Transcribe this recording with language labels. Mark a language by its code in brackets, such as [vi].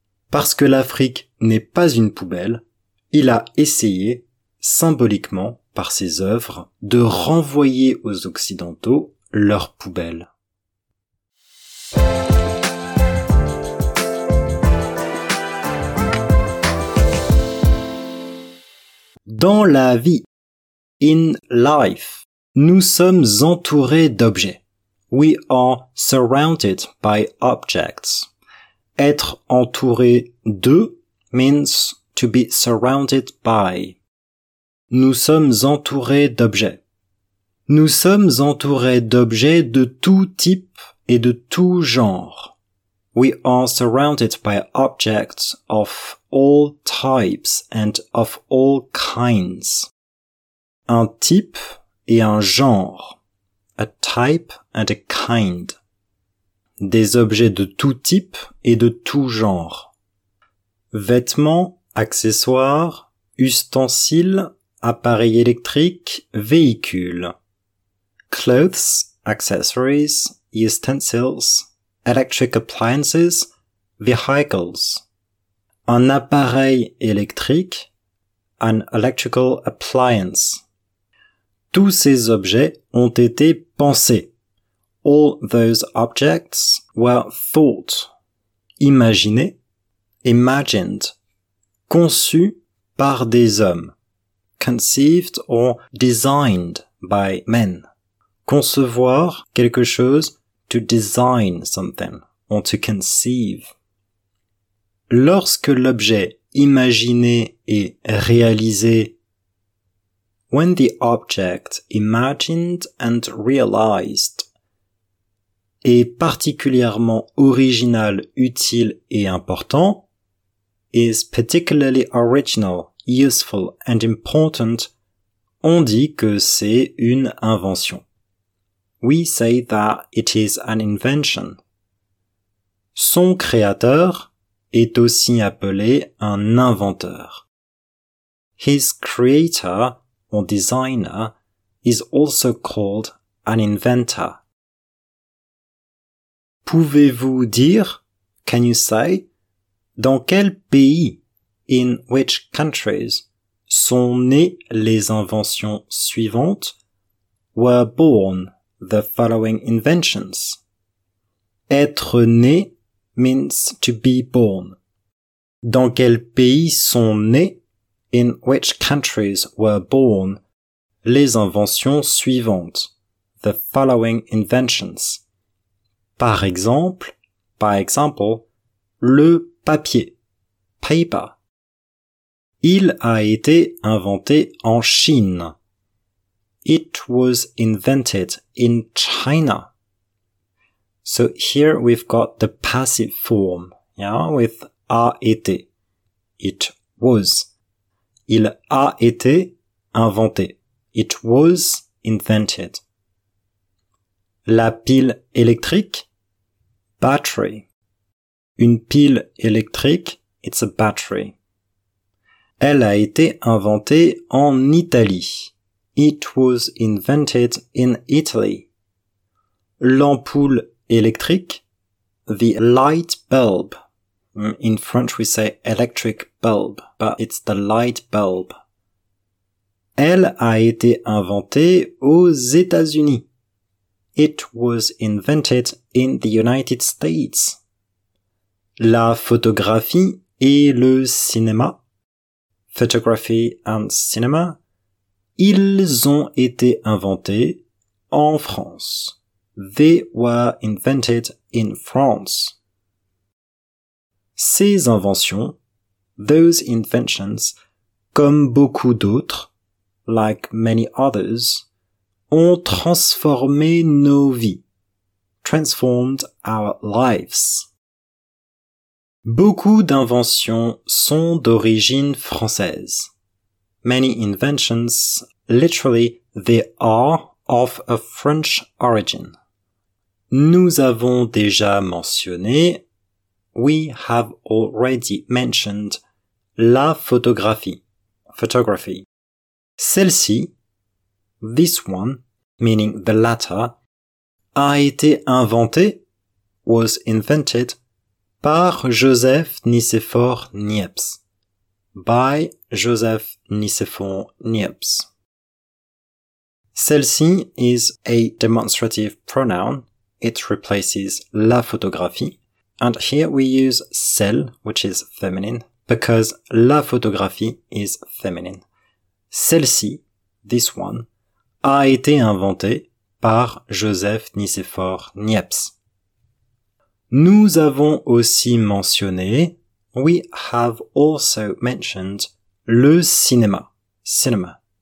[fr] Parce que l'Afrique n'est pas une poubelle, il a essayé, symboliquement, par ses œuvres, de renvoyer aux Occidentaux leur poubelle. Dans la vie, [en] in life, [fr] nous sommes entourés d'objets. [en] We are surrounded by objects. [fr] Être entouré de [en] means to be surrounded by. [fr] Nous sommes entourés d'objets. Nous sommes entourés d'objets de tout type et de tout genre. [en] We are surrounded by objects of all types and of all kinds. [fr] Un type et un genre. [en] A type and a kind. [fr] Des objets de tout type et de tout genre. Vêtements, accessoires, ustensiles, appareils électriques, véhicules. [en] Clothes, accessories, ustensils, electric appliances, vehicles. [fr] Un appareil électrique, [en] an electrical appliance. [fr] Tous ces objets ont été pensés. [en] All those objects were thought. [fr] Imaginés, [en] imagined. [fr] Conçus par des hommes. [en] Conceived or designed by men. [fr] Concevoir quelque chose, [en] to design something or to conceive. [fr] Lorsque l'objet imaginé est réalisé, [en] when the object imagined and realized [fr] est particulièrement original, utile et important, [en] is particularly original, useful and important, [fr] on dit que c'est une invention. [en] We say that it is an invention. [fr] Son créateur est aussi appelé un inventeur. [en] His creator or designer is also called an inventor. [fr] Pouvez-vous dire, [en] can you say, [fr] dans quel pays, [en] in which countries, [fr] sont nées les inventions suivantes, [en] were born the following inventions? [fr] Être né [en] means to be born. [fr] Dans quel pays sont nés, [en] in which countries were born, [fr] les inventions suivantes, [en] the following inventions? [fr] Par exemple, [en] by example, [fr] le papier, [en] paper. [fr] Il a été inventé en Chine. [en] It was invented in China. So here we've got the passive form, yeah, with a été. It was. [fr] Il a été inventé. [en] It was invented. [fr] La pile électrique, [en] battery. [fr] Une pile électrique, [en] it's a battery. [fr] Elle a été inventée en Italie. [en] It was invented in Italy. [fr] L'ampoule électrique, [en] the light bulb. In French we say electric bulb, but it's the light bulb. [fr] Elle a été inventée aux États-Unis. [en] It was invented in the United States. [fr] La photographie et le cinéma. [en] Photography and cinema. [fr] Ils ont été inventés en France. [en] They were invented in France. [fr] Ces inventions, [en] those inventions, [fr] comme beaucoup d'autres, [en] like many others, [fr] ont transformé nos vies, [en] transformed our lives. [fr] Beaucoup d'inventions sont d'origine française. [en] Many inventions, literally, they are of a French origin. [fr] Nous avons déjà mentionné, [en] we have already mentioned, [fr] la photographie, [en] photography. [fr] Celle-ci, [en] this one, meaning the latter, [fr] a été inventée, [en] was invented, par Joseph Nicéphore Niépce. By Joseph Nicéphore Niépce. Celle-ci is a demonstrative pronoun. It replaces la photographie. And here we use celle, which is feminine, because la photographie is feminine. [fr] Celle-ci, [en] this one, [fr] a été inventée par Joseph Nicéphore Niépce. Nous avons aussi mentionné, [en] we have also mentioned, [fr] le cinéma, [en] cinema.